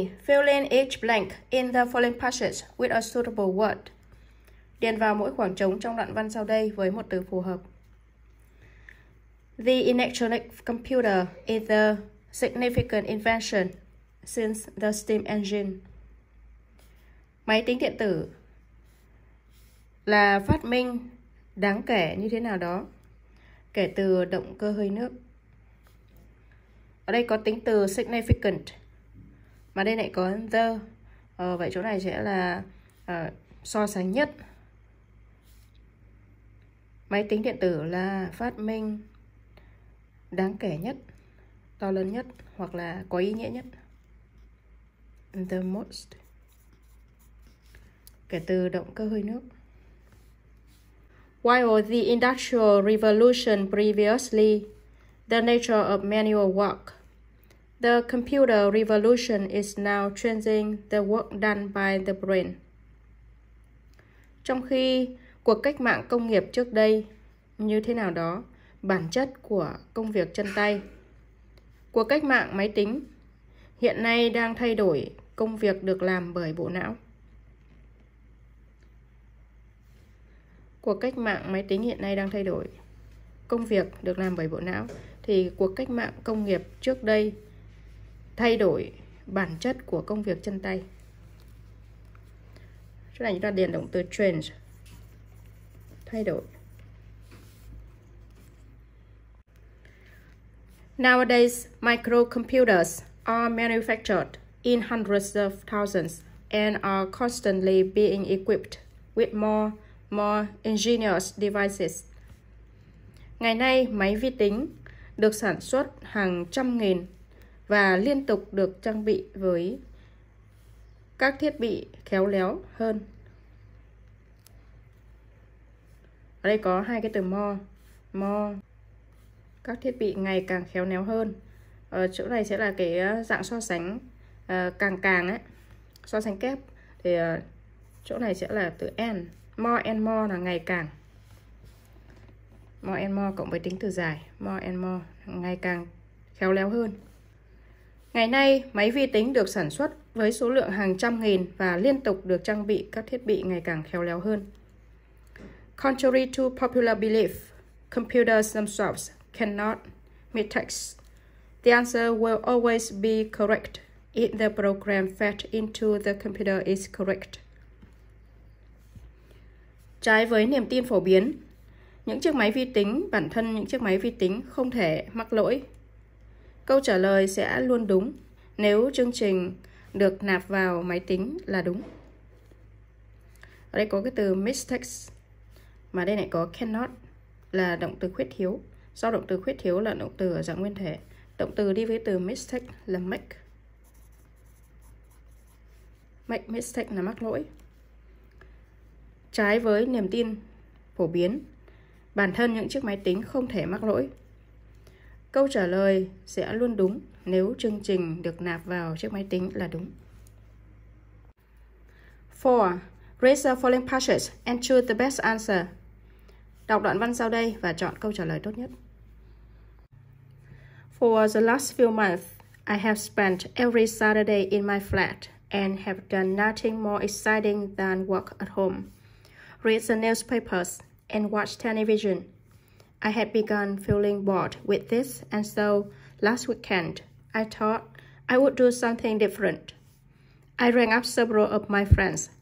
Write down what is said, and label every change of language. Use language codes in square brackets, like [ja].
[en] Fill in each blank in the following passage with a suitable word. [vi] Điền vào mỗi khoảng trống trong đoạn văn sau đây với một từ phù hợp. [en] The electronic computer is a significant invention since the steam engine. [vi] Máy tính điện tử là phát minh đáng kể như thế nào đó kể từ động cơ hơi nước. Ở đây có tính từ significant, mà đây lại có the. Vậy chỗ này sẽ là so sánh nhất. Máy tính điện tử là phát minh đáng kể nhất, to lớn nhất hoặc là có ý nghĩa nhất. [en] The most. [vi] Kể từ động cơ hơi nước. [en] While the industrial revolution previously the nature of manual work, the computer revolution is now changing the work done by the brain. [vi] Trong khi cuộc cách mạng công nghiệp trước đây như thế nào đó, bản chất của công việc chân tay, cuộc cách mạng máy tính hiện nay đang thay đổi công việc được làm bởi bộ não. Cuộc cách mạng máy tính hiện nay đang thay đổi công việc được làm bởi bộ não. Thì cuộc cách mạng công nghiệp trước đây thay đổi bản chất của công việc chân tay. Chỗ này chúng ta điền động từ change, thay đổi. [en] Nowadays, microcomputers are manufactured in hundreds of thousands and are constantly being equipped with more ingenious devices. [vi] Ngày nay, máy vi tính được sản xuất hàng trăm nghìn và liên tục được trang bị với các thiết bị khéo léo hơn. Ở đây có hai cái từ more, các thiết bị ngày càng khéo léo hơn. Ở chỗ này sẽ là cái dạng so sánh càng ấy, so sánh kép. Thì chỗ này sẽ là từ and. [en] More and more [vi] là ngày càng. [en] More and more [vi] cộng với tính từ dài. More and more, ngày càng khéo léo hơn. Ngày nay, máy vi tính được sản xuất với số lượng hàng trăm nghìn và liên tục được trang bị các thiết bị ngày càng khéo léo hơn. [en] Contrary to popular belief, computers themselves cannot meet tasks. The answer will always be correct if the program fed into the computer is correct. [vi] Trái với niềm tin phổ biến, những chiếc máy vi tính, bản thân những chiếc máy vi tính không thể mắc lỗi. Câu trả lời sẽ luôn đúng nếu chương trình được nạp vào máy tính là đúng. Ở đây có cái từ mistakes, mà đây lại có cannot, là động từ khuyết thiếu. Do động từ khuyết thiếu là động từ ở dạng nguyên thể, động từ đi với từ mistake là make. Make mistake là mắc lỗi. Trái với niềm tin phổ biến, bản thân những chiếc máy tính không thể mắc lỗi. Câu trả lời sẽ luôn đúng nếu chương trình được nạp vào chiếc máy tính là đúng. [en] 4. Read the following passage and choose the best answer. [vi] Đọc đoạn văn sau đây và chọn câu trả lời tốt nhất. [en] For the last few months, I have spent every Saturday in my flat and have done nothing more exciting than work at home. Read the newspapers and watch television. I had begun feeling bored with this, and so last weekend I thought I would do something different. I rang up several of my friends